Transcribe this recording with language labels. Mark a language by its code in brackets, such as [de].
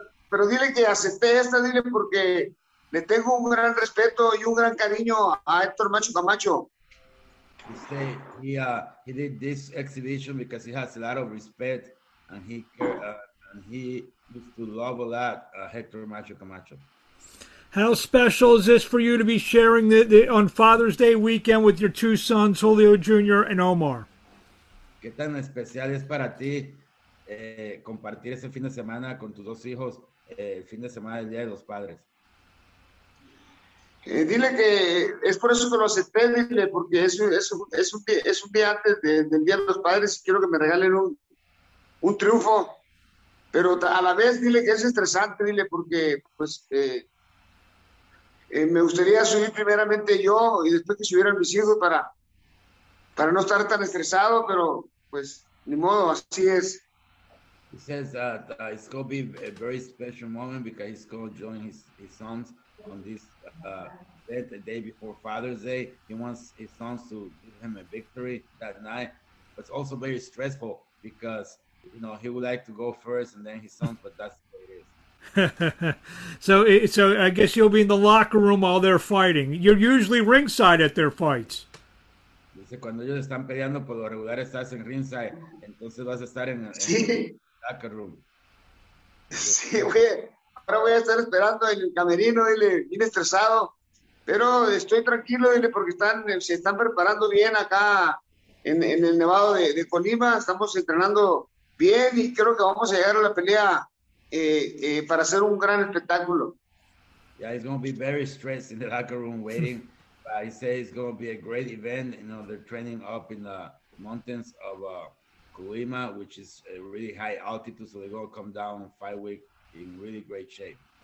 [es] Pero dile que acepté esta, dile porque le tengo un gran respeto y un gran cariño a Héctor Macho Camacho. [en] He did this exhibition because he has a lot of respect and he used to love a lot Héctor Macho Camacho. How special is this for you to be sharing the on Father's Day weekend with your two sons, Julio Jr. and Omar? [es] ¿Qué tan especial es para ti compartir ese fin de semana con tus dos hijos, el fin de semana del Día de los Padres? Dile que es por eso que lo acepté, dile, porque es un día antes del Día de los Padres y quiero que me regalen un triunfo. Pero a la vez, dile que es estresante, dile, porque pues me gustaría subir primeramente yo y después que subieran mis hijos para no estar tan estresado, pero pues ni modo, así es. [en] He says that it's going to be a very special moment because he's going to join his sons on this the day before Father's Day. He wants his sons to give him a victory that night. But it's also very stressful because, you know, he would like to go first and then his sons, but that's the way it is. So I guess you'll be in the locker room while they're fighting. You're usually ringside at their fights. [es] Dice, cuando ellos están peleando, por lo regular estás en ringside. Entonces vas a estar en sí. [en] Locker room. [es] Sí, güey. Ahora voy a estar esperando en el camerino, dile, bien estresado. Pero estoy tranquilo, dile, porque se están preparando bien acá en el Nevado de Colima. Estamos entrenando bien y creo que vamos a llegar a la pelea para hacer un gran espectáculo. [en] Yeah, it's going to be very stressed in the locker room waiting. I say it's going to be a great event. You know, they're training up in the mountains of Colima, which is a really high altitude, so they're going to come down in 5 weeks in really great shape.